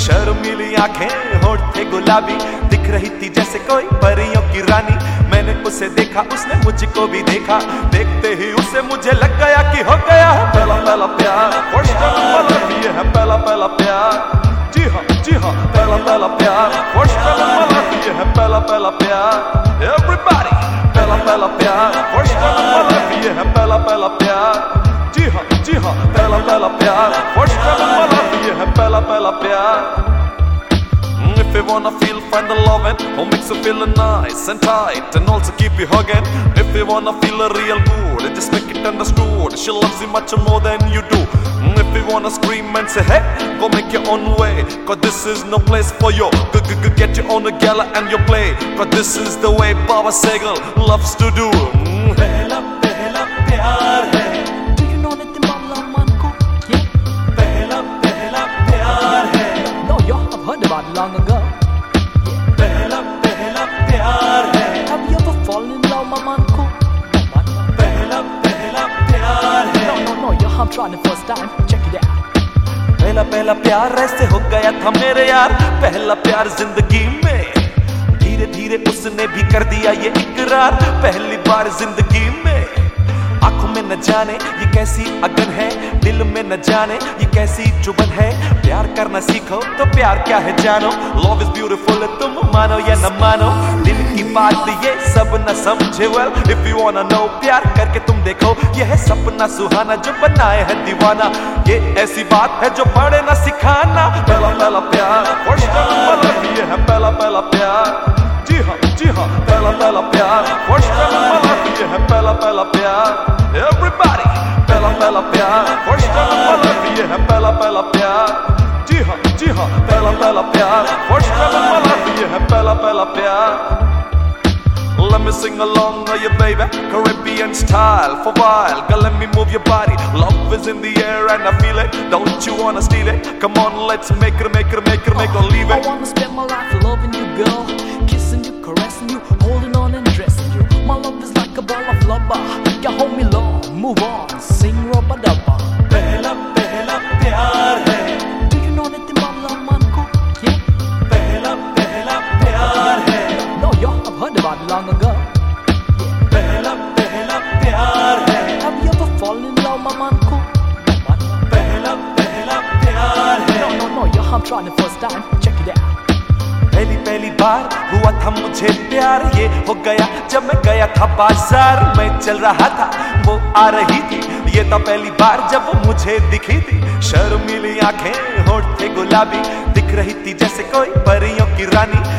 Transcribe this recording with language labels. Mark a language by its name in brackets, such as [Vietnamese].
[Hindi] शर्मीली आंखें, होंठ थे गुलाबी, दिख रही थी जैसे कोई परियों की रानी। मैंने उसे देखा, उसने मुझको भी देखा, देखते ही उसे मुझे लग गया कि हो गया है पहला पहला प्यार। फर्स्ट नंबर ये है पहला पहला प्यार, जी हाँ जी हाँ, पहला पहला प्यार। फर्स्ट नंबर ये है पहला पहला प्यार, everybody, pehla pehla pyaar, first number love ye hai pehla pehla pyaar, ji ha, pehla pehla pyaar, first number love ye hai pehla pehla pyaar. [English] If you wanna feel, find the loving, I'll make you feel nice and tight, and also keep you hugging. If you wanna feel a real good, just make it understood, she loves you much more than you do. If you wanna scream and say hey, go make your own way, cause this is no place for you. Go get your own gala and your play, cause this is the way Baba Segal loves to do. [Hindi] Pehla pehla pyaar hai. [English] Do you know that the mamla man ko? Yeah. [Hindi] Pehla pehla pyaar hai. [English] No, you have heard about it long ago. [Hindi] Pehla pehla pyaar hai. [English] Have you ever fallen in love, my man ko? [Hindi] Pehla pehla pyaar hai. [English] No, you have tried it first time. [Hindi] पहला पहला प्यार ऐसे हो गया था मेरे यार, पहला प्यार जिंदगी में, धीरे धीरे उसने भी कर दिया ये इकरार। पहली बार जिंदगी में, आंखों में न जाने ये कैसी अगन है, दिल में न जाने ये कैसी चुभन है। प्यार करना सीखो तो प्यार क्या है जानो, [English] love is beautiful [Hindi] तुम मानो या न मानो। दिल की बात ये सब न समझे, [English] well if you want to know, [Hindi] प्यार करके तुम देखो, ये है सपना सुहाना जो बनाए है दीवाना। ये ऐसी बात है जो पढ़े ना सिखाना। पहला पहला प्यार, फर्स्ट नंबर लव ये है पहला पहला प्यार, जी हाँ पहला पहला प्यार, फर्स्ट नंबर लव ये है पहला पहला प्यार, एवरीबॉडी पहला पहला प्यार, फर्स्ट नंबर लव ये है पहला पहला प्यार, जी हाँ पहला पहला प्यार, फर्स्ट नंबर लव ये है पहला पहला प्यार। [English] Let me sing along with you, baby, Caribbean style for a while. Girl, let me move your body. Love is in the air and I feel it. Don't you wanna steal it? Come on, let's make it, make it, make it, make it, leave it. I wanna spend my life loving you, girl. Kissing you, caressing you, holding on and dressing you. My love is like a ball of lava. Yeah, hold me long, move on, sing rubber dubba. [Hindi] Pehla, pehla, pyaar hai. [English] Do you know that the mamla man ko? Yeah. [Hindi] Pehla, pehla, pyaar hai. [English] No, you have heard about it long ago. [Hindi] Pehla, pehla, pyaar hai. [English] Have you ever fallen in love, my man ko? [Hindi] Pehla, pehla, pyaar hai. [English] No, you have tried it first time, check it out. [Hindi] पहली पहली बार हुआ था मुझे प्यार, ये हो गया जब मैं गया था बाजार। मैं चल रहा था, वो आ रही थी, ये तो पहली बार जब वो मुझे दिखी थी। शर्मीली आंखें, होंठ थे गुलाबी, दिख रही थी जैसे कोई परियों की रानी।